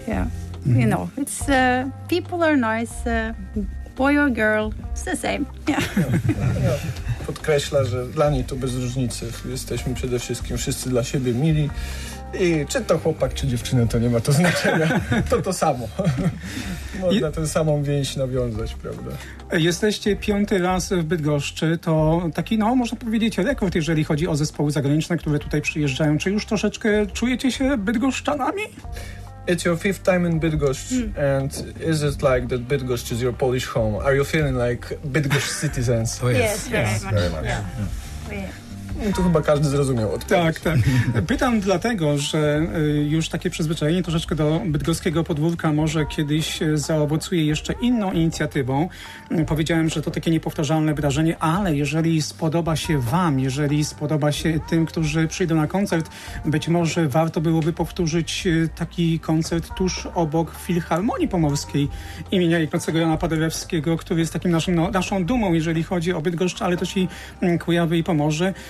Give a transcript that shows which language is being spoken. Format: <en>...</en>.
<en>Yeah, you know, it's people are nice, boy or girl, it's the same. Yeah.</en> <pl>Podkreśla, że dla niej to bez różnicy. Jesteśmy przede wszystkim wszyscy dla siebie mili. I czy to chłopak, czy dziewczyna, to nie ma to znaczenia. To samo. Można tę samą więź nawiązać, prawda? Jesteście piąty raz w Bydgoszczy. To taki, no, można powiedzieć, rekord, jeżeli chodzi o zespoły zagraniczne, które tutaj przyjeżdżają. Czy już troszeczkę czujecie się bydgoszczanami?</pl> <en>It's your fifth time in Bydgoszcz, and is it like that Bydgoszcz is your Polish home? Are you feeling like Bydgoszcz citizens? Oh, yes, very much. Very much. Yeah. Yeah. Yeah.</en> <pl>To chyba każdy zrozumiał odpowiedź. Tak, tak. Pytam dlatego, że już takie przyzwyczajenie troszeczkę do bydgoskiego podwórka może kiedyś zaowocuje jeszcze inną inicjatywą. Powiedziałem, że to takie niepowtarzalne wydarzenie, ale jeżeli spodoba się wam, jeżeli spodoba się tym, którzy przyjdą na koncert, być może warto byłoby powtórzyć taki koncert tuż obok Filharmonii Pomorskiej imienia Ignacego Jana Paderewskiego, który jest takim naszą dumą, jeżeli chodzi o Bydgoszcz, ale też i Kujawy i Pomorze.</pl>